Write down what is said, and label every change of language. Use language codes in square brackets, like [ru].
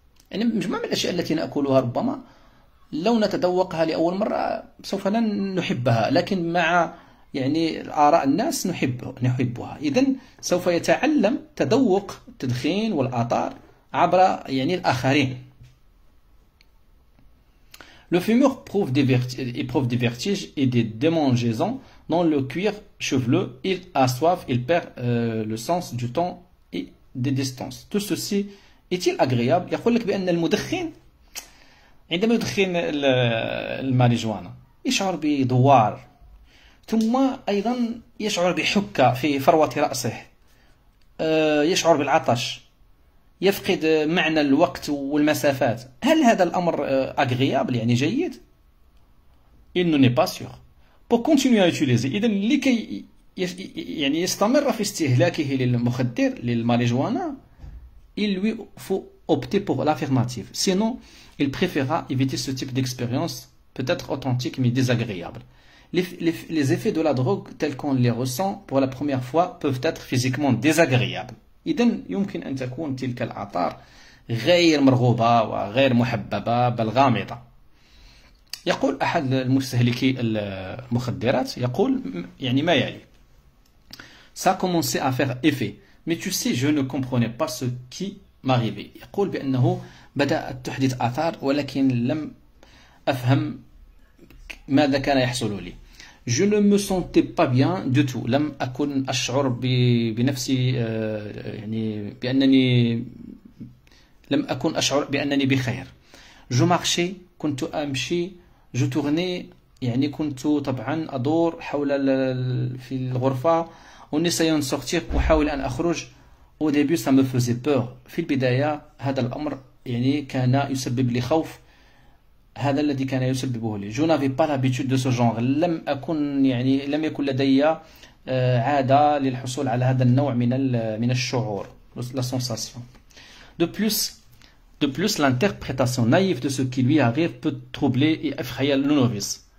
[ar] يعني مجموعة من الأشياء التي نأكلها ربما لو نتذوقها لأول مرة سوف لن نحبها، لكن مع يعني آراء الناس نحبها. إذن سوف يتعلم تذوق التدخين والآثار عبر يعني الآخرين. [fr] Le fumeur éprouve des vertiges et des démangeaisons dans le cuir chevelu. Il a soif, il perd le sens du temps et des distances. Tout ceci est-il agréable? Il faut que le médecin, [ar] عندما يدخن الماريجوانا يشعر بدوار، ثم أيضا يشعر بحكة في فروة رأسه، يشعر بالعطش، يفقد معنى الوقت والمسافات. هل هذا الأمر أغريابل يعني جيد؟ [fr] Il n'en est pas sûr. Pour continuer à utiliser، [ar] إذا لكي يعني يستمر في استهلاكه للمخدر للماريجوانا، [fr] il lui faut opter pour l'affirmative. Sinon il préférera éviter ce type d'expérience, peut-être authentique mais désagréable. Les effets de la drogue, tels qu'on les ressent pour la première fois, peuvent être physiquement désagréables. [ar] إذن يمكن أن تكون تلك الآثار غير مرغوبة وغير محببة بل غامضة. يقول أحد المستهلكي المخدرات، يقول يعني ما يلي: [fr] Ça commençait à faire effet, mais tu sais, je ne comprenais pas ce qui m'arrivait. [ar] يقول بأنه بدأت تحدث آثار ولكن لم أفهم ماذا كان يحصل لي. [fr] Je ne me sentais pas bien du tout. [ar] لم أكن أشعر بنفسي يعني بأنني لم أكن أشعر بأنني بخير. [fr] Je marchais, [ar] كنت أمشي. [fr] Je tournais, [ar] يعني كنت طبعا أدور حول في الغرفة. [fr] En essayant de sortir, [ar] أحاول أن أخرج. [fr] Au début, ça me faisait peur. [ar] في البداية هذا الأمر يعني كان يسبب لي خوف. هذا الذي كان يسببه لي. [fr] Je n'avais pas l'habitude de ce genre. [ar] لم أكن يعني لم يكن لدي عادة للحصول على هذا النوع من الشعور. [fr] La sensation. De plus, l'interprétation naïve de ce qui lui arrive peut troubler et effrayer le novice.